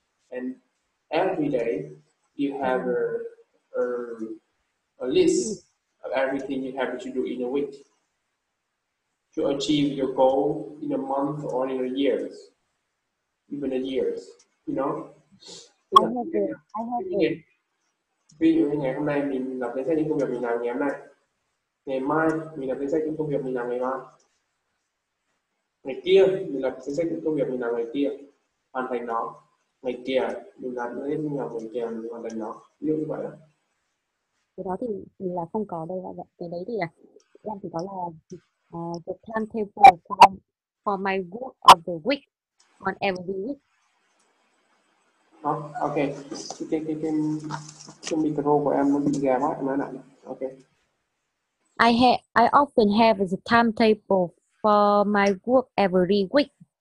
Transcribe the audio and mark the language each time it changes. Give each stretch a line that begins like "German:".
English: And every day, you have a list of everything you have to do in a week to achieve your goal in a month or in a year, even in years, you know? I have it.
Vietnamese: Ví dụ mình lập danh sách những công việc mình làm ngày hôm nay. Ngày mai mình lập danh sách những công việc mình làm ngày mai. Ngày kia mình lập danh sách những công việc mình làm ngày kia, hoàn thành nó. Ngày kia mình làm những công việc mình làm ngày kia, hoàn thành nó. Ví dụ như vậy đó. Cái đó thì là không có đâu vậy. Cái đấy thì em chỉ có là
English: the timetable for my work of the week on every week. Okay.
Vietnamese: Cái micro của em bị gà mất em ạ.
English: Okay. I often have the timetable for my work every week.